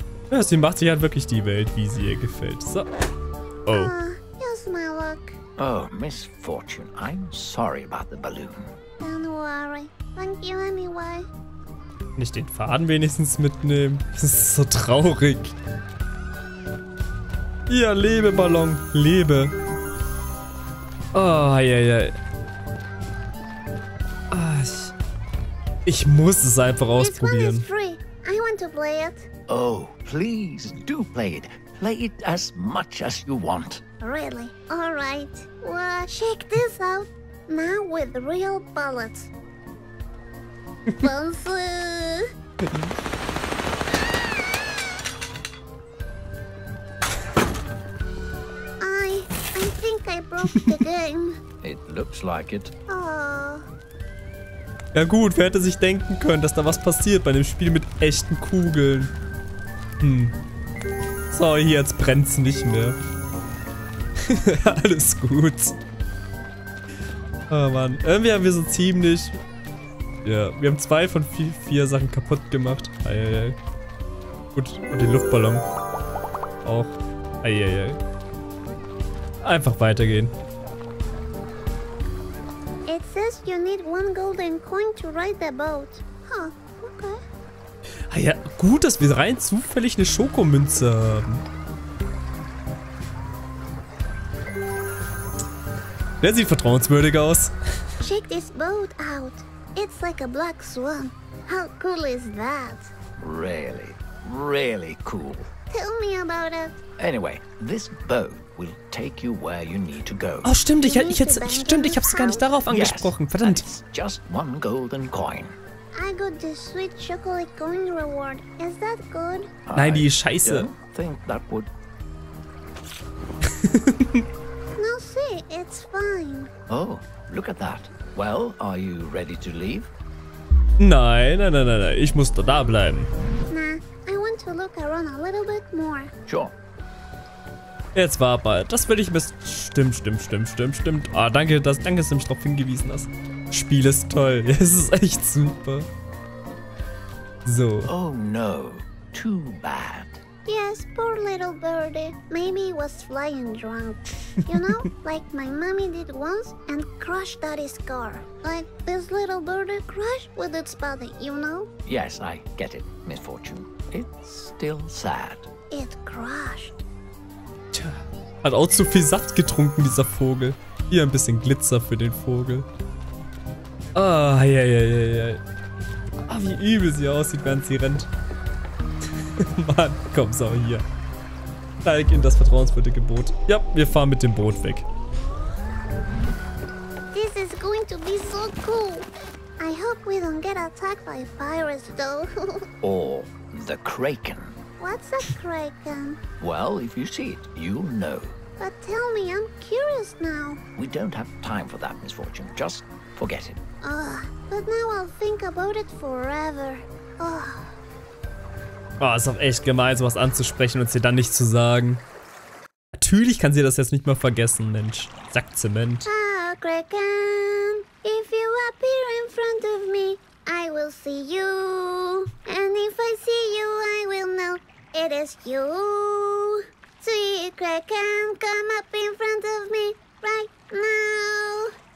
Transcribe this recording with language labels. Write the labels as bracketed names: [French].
[German] Ja, sie macht sich halt wirklich die Welt, wie sie ihr gefällt. So. Oh. [English] Just my luck. Oh, Miss Fortune, I'm sorry about the balloon. Don't worry. Thank you anyway. [German] Kann ich den Faden wenigstens mitnehmen? Das ist so traurig. Ja, lebe, Ballon, lebe. Oh, ja, ja. Ich muss es einfach ausprobieren. [English] This one is free. I want to play it. Oh, please do play it. Play it as much as you want. Really? All right. Well, check this out. Man with real bullets. Bonzu! I think I broke the game. It looks like it. Oh. [German] Ja gut, wer hätte sich denken können, dass da was passiert bei einem Spiel mit echten Kugeln? Sorry, jetzt brennt's nicht mehr. Alles gut. Oh Mann, irgendwie haben wir so ziemlich... Ja, wir haben 2 von 4 Sachen kaputt gemacht. Eieiei. Gut, und den Luftballon. Auch. Eieiei. Einfach weitergehen. [English] It says you need 1 golden coin to ride the boat. Huh, okay. [German] Ah ja, gut, dass wir rein zufällig eine Schokomünze haben. Der sieht vertrauenswürdig aus. [English] Check this boat out. It's like a black swan. How cool is that? Really, really cool. Tell me about it. Anyway, this boat will take you where you need to go. [German] Oh, stimmt, ich hab's gar nicht darauf angesprochen. [English] Yes, [German] verdammt. [English] It's just 1 golden coin. I got the sweet chocolate coin reward. Is that good? [German] Nein, die ist scheiße. [English] I don't think that would... No, see, it's fine. Oh, look at that. Well, are you ready to leave? [German] Nein, ich muss da bleiben. [English] Nah, I want to look around a little bit more. Sure. [German] Jetzt war bald. Das will ich bestimmt. Stimmt. Ah, danke, dass du mich darauf hingewiesen hast. Spiel ist toll. Es ist echt super. So. [English] Oh no. Too bad. Yes, poor little birdie. Maybe he was flying drunk. You know, like my mommy did once and crushed daddy's car. Like this little birdie crashed with its body, you know? Yes, I get it, Miss Fortune. It's still sad. It crashed. [German] Hat auch zu viel Saft getrunken, dieser Vogel. Hier ein bisschen Glitzer für den Vogel. Ah, ja. Ah, wie übel sie aussieht, während sie rennt. Mann, komm, sau hier. Steig in das vertrauenswürdige Boot. Ja, wir fahren mit dem Boot weg. [English] This is going to be so cool. I hope we don't get attacked by pirates, though. Or the Kraken. What's a Kraken? Well, if you see it, you'll know. But tell me, I'm curious now. We don't have time for that, Miss Fortune. Just forget it. Ugh, but now I'll think about it forever. Ugh. [German] Oh, ist auch echt gemein, sowas anzusprechen und sie dann nicht zu sagen. Natürlich kann sie das jetzt nicht mehr vergessen, Mensch. Sack Zement. [English] Oh, Kraken, if you appear in front of me, I will see you. And if I see you, I will know it is you. Sweet Kraken, come up in front of me right now.